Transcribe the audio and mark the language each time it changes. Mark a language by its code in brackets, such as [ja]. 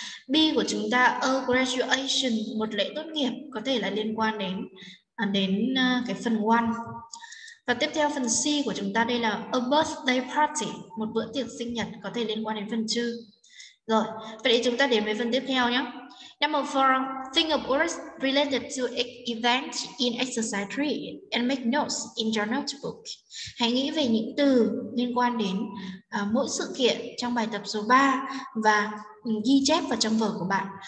[vi] B của chúng ta, [en] a graduation, [vi] một lễ tốt nghiệp, có thể là liên quan đến cái phần 1. Và tiếp theo phần C của chúng ta đây là [en] a birthday party, [vi] một bữa tiệc sinh nhật, có thể liên quan đến phần 2. Rồi, vậy thì chúng ta đến với phần tiếp theo nhé. [en] Number 4, think of words related to an event in exercise 3 and make notes in your notebook. [vi] Hãy nghĩ về những từ liên quan đến mỗi sự kiện trong bài tập số 3 và ghi chép vào trong vở của bạn.